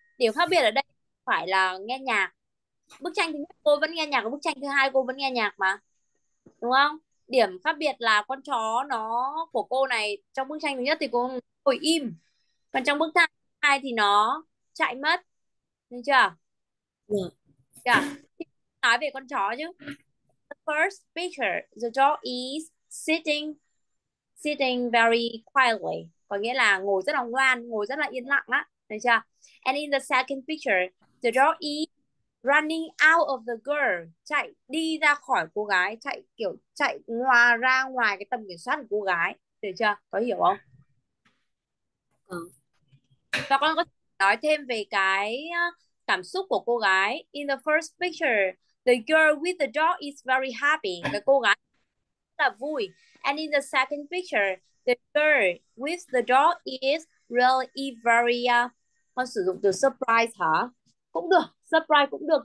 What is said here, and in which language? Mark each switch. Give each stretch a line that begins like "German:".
Vietnamese: Điểm khác biệt ở đây phải là nghe nhạc. Bức tranh thứ nhất cô vẫn nghe nhạc, bức tranh thứ hai cô vẫn nghe nhạc mà, đúng không? Điểm khác biệt là con chó nó của cô này, trong bức tranh thứ nhất thì cô ngồi im, còn trong bức tranh thứ hai thì nó chạy mất. Được chưa? Được. Nói về con chó chứ.
English: The first picture, the dog is sitting very quietly.
Vietnamese: Có nghĩa là ngồi rất là ngoan, ngồi rất là yên lặng á. Được chưa?
English: And in the second picture, the dog is running out of the girl.
Vietnamese: Chạy đi ra khỏi cô gái, chạy kiểu chạy ngoài ra ngoài cái tầm kiểm soát của cô gái. Được chưa? Có hiểu không? Và con có nói thêm về cái cảm xúc của cô gái.
English: In the first picture, the girl with the dog is very happy.
Vietnamese: Cái cô gái rất là vui.
English: And in the second picture, the girl with the dog is really very...
Vietnamese: con sử dụng từ surprise hả? Cũng được, surprise cũng được.